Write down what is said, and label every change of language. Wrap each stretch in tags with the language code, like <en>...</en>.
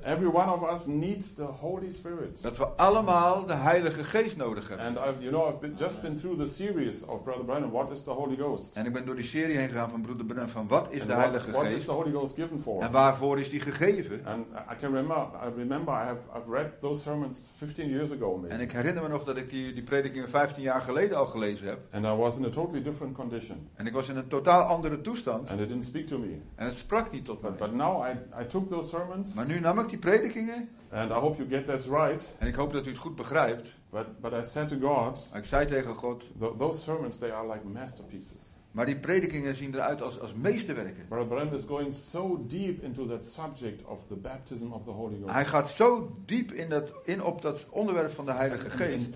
<en>Every one of us needs the Holy Spirit.</en> <nl>Dat we allemaal de Heilige Geest nodig hebben.</nl> <en>And I've just been through the series of Brother Branham. What is the Holy Ghost?</en> <nl>En ik ben door die serie heen gegaan van Broeder Branham van wat is and de Heilige Geest?</nl> <en>What is the Holy Ghost given for?</en> <nl>En waarvoor is die gegeven?</nl> <en>And I can remember I've read those sermons 15 years ago. Maybe.</en> <nl>En ik herinner me nog dat ik die predikingen 15 jaar geleden al gelezen heb.</nl> <en>And I was in a totally different condition.</en> <nl>En ik was in een totaal andere toestand.</nl> <en>And it didn't speak to me.</en> <nl>En het sprak niet tot mij.</nl> <en>But now I took those sermons.</en> <nl>Maar nu nam ik die predikingen.</nl> <en>And I hope you get this right.</en> <nl>En ik hoop dat u het goed begrijpt.</nl> <en>But I said to God.</en> <nl>Ik zei tegen God.</nl> <en>Those sermons, they are like masterpieces.</en> <nl>Maar die predikingen zien eruit als meesterwerken.</nl> <en>Brother Brand is going so deep into that subject of the baptism of the Holy Ghost.</en> <nl>Hij gaat zo diep in op dat onderwerp van de Heilige Geest.</nl>